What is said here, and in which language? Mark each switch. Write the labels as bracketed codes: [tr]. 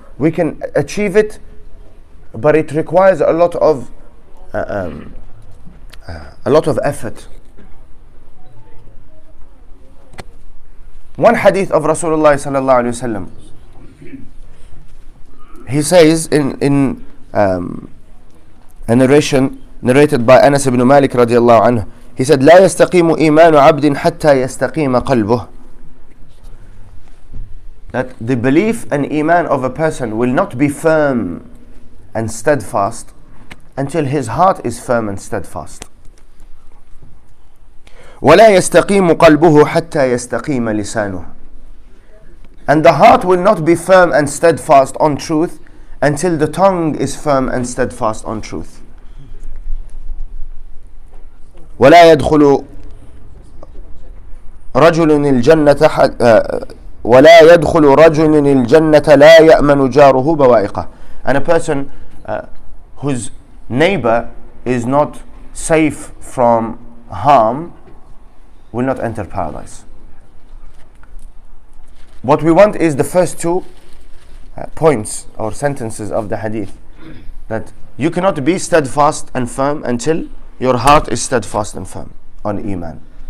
[en] We can achieve it, but it requires a lot of effort. One hadith of Rasulullah sallallahu alaihi wasallam. He says in a narration narrated by Anas ibn Malik radiallahu anhu. He said, [ar] "لا يستقيم إيمان عبد حتى يستقيم قلبه." [en] That the belief and iman of a person will not be firm and steadfast until his heart is firm and steadfast. [ar] ولا يستقيم قلبه حتى يستقيم لسانه. [en] And the heart will not be firm and steadfast on truth until the tongue is firm and steadfast on truth. [ar] ولا يدخل رجل الجنة ولا يدخل رجل الجنة لا يأمن جاره بوائقه. [en] And a person whose neighbor is not safe from harm will not enter paradise. What we want is the first two points or sentences of the hadith, that you cannot be steadfast and firm until your heart is steadfast and firm on Iman.